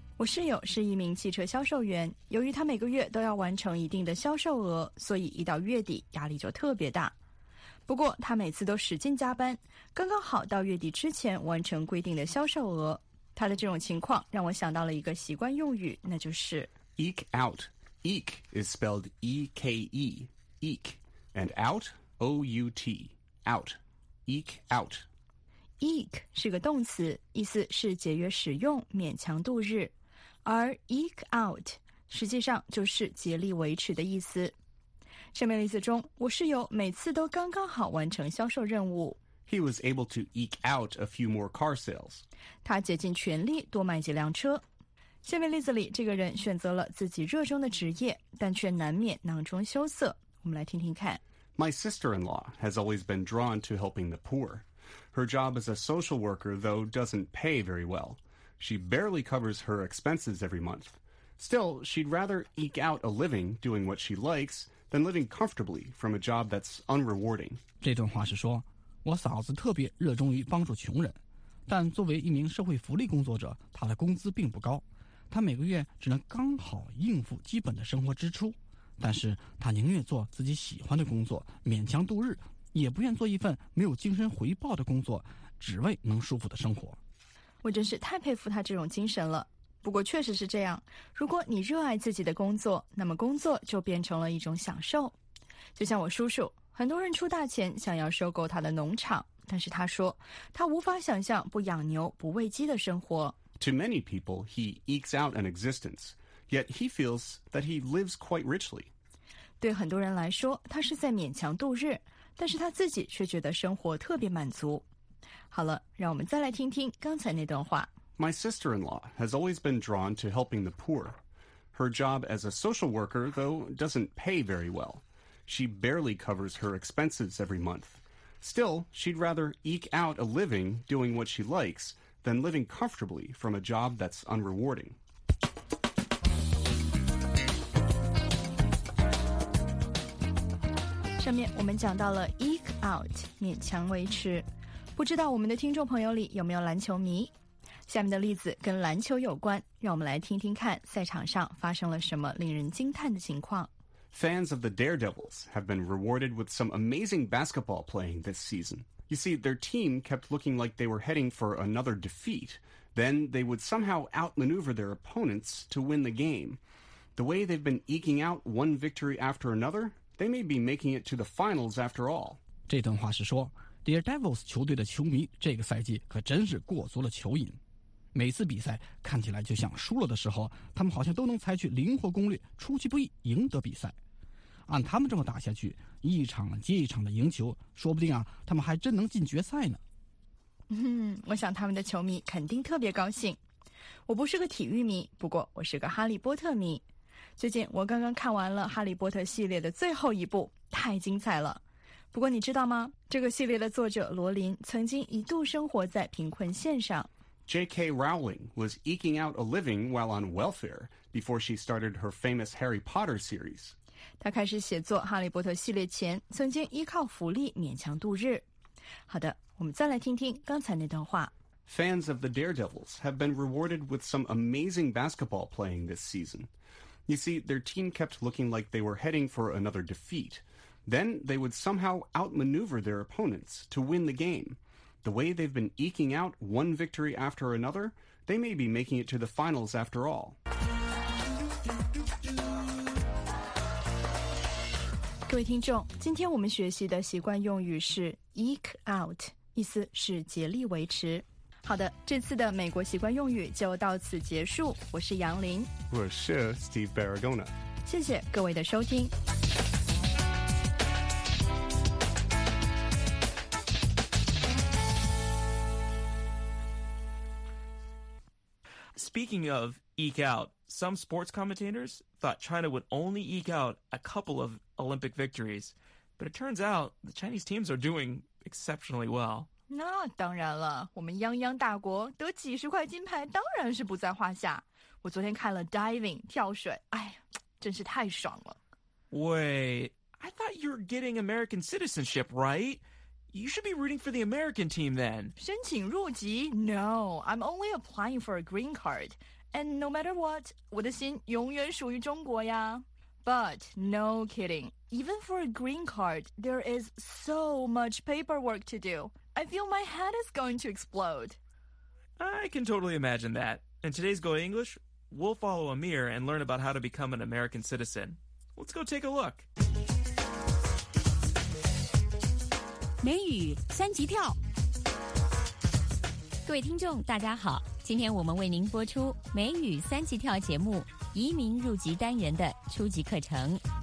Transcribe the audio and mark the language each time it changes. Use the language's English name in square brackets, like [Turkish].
[Chinese] 我室友是一名汽车销售员，由于他每个月都要完成一定的销售额，所以一到月底压力就特别大。不过他每次都使劲加班，刚刚好到月底之前完成规定的销售额。他的这种情况让我想到了一个习惯用语，那就是 [English] eke out。 eke is spelled E-K-E, eke, and out? O-U-T, out, eke out. [Chinese] Eke 是个动词，意思是节约使用，勉强度日。而 eke out 实际上就是竭力维持的意思。上面例子中，我室友每次都刚刚好完成销售任务。 [English] He was able to eke out a few more car sales. [Chinese] 他竭尽全力多卖几辆车。下面例子里，这个人选择了自己热衷的职业，但却难免囊中羞涩。我们来听听看。 [English] My sister-in-law has always been drawn to helping the poor. Her job as a social worker, though, doesn't pay very well. She barely covers her expenses every month. Still, she'd rather eke out a living doing what she likes than living comfortably from a job that's unrewarding. [Chinese] 这段话是说，我嫂子特别热衷于帮助穷人，但作为一名社会福利工作者，她的工资并不高。她每个月只能刚好应付基本的生活支出。但是他宁愿做自己喜欢的工作勉强度日，也不愿做一份没有精神回报的工作，只为能舒服的生活。我真是太佩服他这种精神了。不过确实是这样，如果你热爱自己的工作，那么工作就变成了一种享受。就像我叔叔，很多人出大钱想要收购他的农场，但是他说他无法想象不养牛不喂鸡的生活。 [English] To many people, he ekes out an existence, yet he feels that he lives quite richly. [Chinese] 对很多人来说，他是在勉强度日，但是他自己却觉得生活特别满足。好了，让我们再来听听刚才那段话。 [English] My sister-in-law has always been drawn to helping the poor. Her job as a social worker, though, doesn't pay very well. She barely covers her expenses every month. Still, she'd rather eke out a living doing what she likes than living comfortably from a job that's unrewarding. [Chinese] 上面我们讲到了 eke out, 勉强维持。不知道我们的听众朋友里有没有篮球迷？下面的例子跟篮球有关，让我们来听听看赛场上发生了什么令人惊叹的情况。 [English] Fans of the Daredevils have been rewarded with some amazing basketball playing this season. You see, their team kept looking like they were heading for another defeat. Then they would somehow outmaneuver their opponents to win the game. The way they've been eking out one victory after another, they may be making it to the finals after all. [Chinese] 这段话是说 ,Daredevils 球队的球迷这个赛季可真是过足了球瘾。每次比赛看起来就像输了的时候，他们好像都能采取灵活攻略，出其不意赢得比赛。按他们这么打下去，一场接一场的赢球，说不定啊，他们还真能进决赛呢。我想他们的球迷肯定特别高兴。我不是个体育迷，不过我是个哈利波特迷。最近我刚刚看完了哈利波特系列的最后一部，太精彩了。不过你知道吗？这个系列的作者罗琳曾经一度生活在贫困线上。 [English] J.K. Rowling was eking out a living while on welfare before she started her famous Harry Potter series. [Chinese] 她开始写作《哈利波特》系列前，曾经依靠福利勉强度日。好的，我们再来听听刚才那段话。 [English] Fans of the Daredevils have been rewarded with some amazing basketball playing this season. You see, their team kept looking like they were heading for another defeat. Then they would somehow outmaneuver their opponents to win the game. The way they've been eking out one victory after another, they may be making it to the finals after all. [Chinese] 各位听众，今天我们学习的习惯用语是 eke out, 意思是竭力维持。好的，这次的美国习惯用语就到此结束。我是杨林，我是 Steve Barragona。谢谢各位的收听。 [English] Speaking of eke out, some sports commentators thought China would only eke out a couple of Olympic victories. But it turns out the Chinese teams are doing exceptionally well. [Chinese] 那当然了，我们泱泱大国得几十块金牌当然是不在话下。我昨天看了 diving, 跳水，哎呀，真是太爽了。 [English] Wait, I thought you were getting American citizenship, right? You should be rooting for the American team then. [Chinese] 申请入籍? [English] No, I'm only applying for a green card. And no matter what, [Chinese] 我的心永远属于中国呀。 [English] But no kidding. Even for a green card, there is so much paperwork to do. I feel my head is going to explode. I can totally imagine that. In today's Go English, we'll follow Amir and learn about how to become an American citizen. Let's go take a look. [Chinese] 美语三级跳，各位听众大家好，今天我们为您播出美语三级跳节目移民入籍单元的初级课程。